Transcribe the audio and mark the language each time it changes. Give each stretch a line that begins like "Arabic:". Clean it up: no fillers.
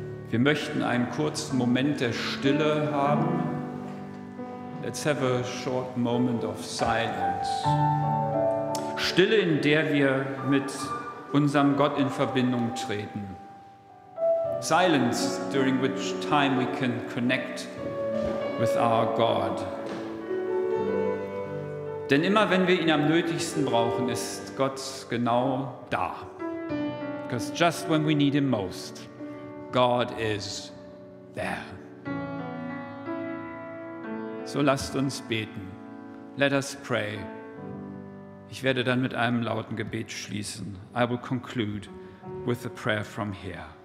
German: Wir möchten einen kurzen Moment der Stille haben.
English: Let's have a short moment of silence.
German: Stille, in der wir mit unserem Gott in Verbindung treten.
English: Silence, during which time we can connect with our God.
German: Denn immer wenn wir ihn am nötigsten brauchen, ist Gott genau da.
English: Because just when we need him most, God is there.
German: So lasst uns beten.
English: Let us pray.
German: Ich werde dann mit einem lauten Gebet schließen.
English: I will conclude with a prayer from here.